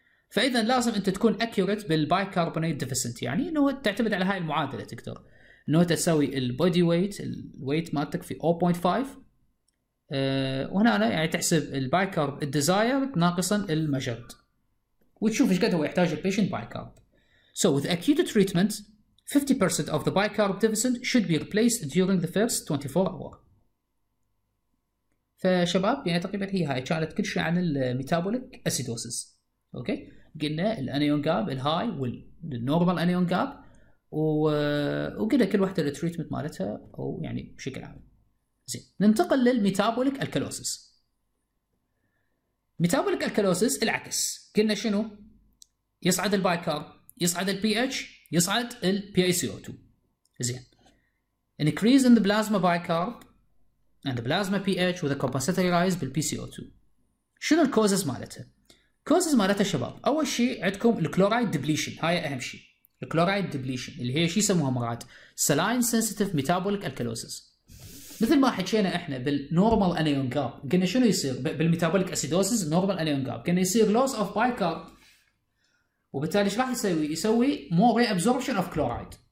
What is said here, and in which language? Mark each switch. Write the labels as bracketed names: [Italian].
[Arabic] فاذا لازم انت تكون اكيوريت بالبايكربونيت ديفيسنت، يعني انه تعتمد على هاي المعادلة، تقدر انه انت تسوي البودي ويت، الويت مالتك في 0.5، وهنا أنا يعني تحسب البايكارب الديزايرد ناقصا المجد، وتشوف ايش قد هو يحتاج البيشنت بايكارب. [English] So with acute treatment, 50% of the bicarb deficit should be replaced during the first 24 hour. [Arabic] فشباب يعني تقريبا هي هاي كانت كل شيء عن الميتابوليك اسيدوسيس. اوكي، قلنا الانيون جاب الهاي والنورمال انيون جاب، وقلنا كل واحده التريتمنت مالتها او يعني بشكل عام. زين، ننتقل للميتابوليك الكالوسيس. ميتابوليك الكالوسيس العكس، قلنا شنو؟ يصعد البايكارب، يصعد البي اتش، يصعد البي اي سي او 2. [English] زين، increase in the plasma bicarb and the plasma pH with a compensatory rise بالبي C O 2. [Arabic] شنو الكوزز مالتها؟ كوزز مالتها شباب، اول شيء عندكم الكلورايد ديبليشن، هاي اهم شيء. الكلورايد ديبليشن اللي هي شو يسموها مرات؟ سلاين سنسيتيف ميتابوليك الكالوسيس. مثل ما حكينا احنا بالنورمال انيون جاب، قلنا شنو يصير بالميتابوليك اسيدوسيس نورمال انيون جاب؟ قلنا يصير لوس اوف بايكارب، وبالتالي ايش راح يسوي؟ يسوي مور ري ابزوربشن اوف كلورايد.